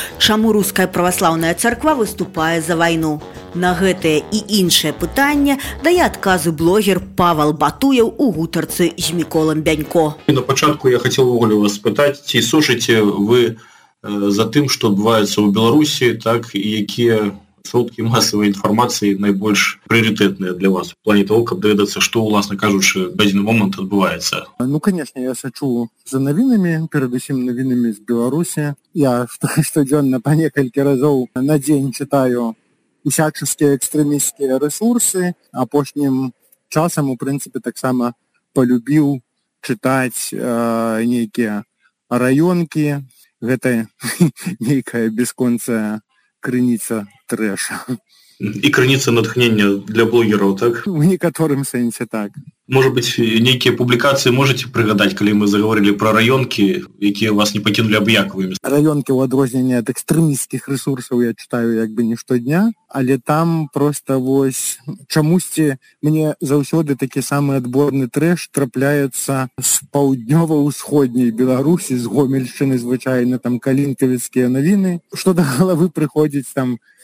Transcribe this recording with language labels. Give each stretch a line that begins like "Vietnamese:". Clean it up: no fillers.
Belarusian: Чаму руская праваслаўная царква выступае за вайну? На гэтае і іншае пытанне дае адказы блогер Павал Батуяў у гутарцы з Міколам Бянько. На пачатку я хацеў увогуле вас спытаць, ці сочыце вы за тым, што адбываецца ў Беларусі, так, і якія
Ukrainian: сродки масової інформації найбольш пріоритетне для вас в плані того, щоб дивитися, що, власне кажучи, в даний момент відбувається? Ну, звісно, я сочу за новинами, передусім новинами з Білорусі. Я щоденно по некілька разів на день читаю усячески екстремістські ресурси, а пошнім часом, у принципі, так само полюбив читати некі районки,
Belarusian: гэта некая бесконцая крыніца трэша. І крыніца натхнення для блогераў, так? У некаторым сэнсе так. Можа быць, некія публікацыі можаце прыгадаць, калі мы заговорылі пра раёнкі, якія вас не пакінулі абыякавымі? Раёнкі ў адрозненні ад экстрэмістскіх рэсурсаў я чытаю як бы не штодня, але там проста вось чамусьці мне заўсёды такі самы адборны трэш трапляецца з паўднёва-ўсходняй Беларусі, з Гомельшчыны звычайна, там калінкавіцкія навіны, што да галавы прыходзіць там.